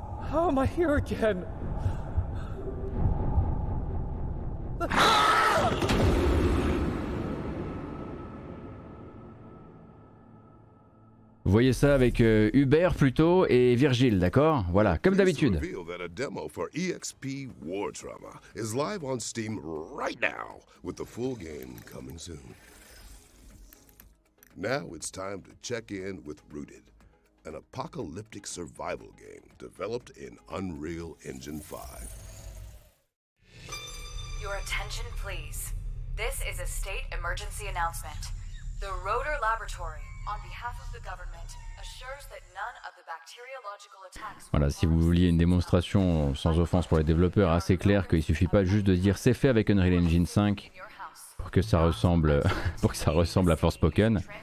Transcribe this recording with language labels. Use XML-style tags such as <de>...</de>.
<en>How am I here again?</en> <fr>Voyez ça avec Hubert plutôt et Virgile, d'accord? Voilà, comme d'habitude.</fr> <en>Please reveal that a demo for EXP War Trauma is live on Steam right now, with the full game coming soon. Now it's time to check in with Rooted, an apocalyptic survival game developed in Unreal Engine 5. Your attention, please. This is a state emergency announcement. The Rotor Laboratory, on behalf of the government, assures that none of the bacteriological attacks...</en> <fr>Voilà, si vous vouliez une démonstration sans offense pour les développeurs, assez clair qu'il suffit pas juste de dire c'est fait avec Unreal Engine 5 pour que ça ressemble à Forspoken.</fr>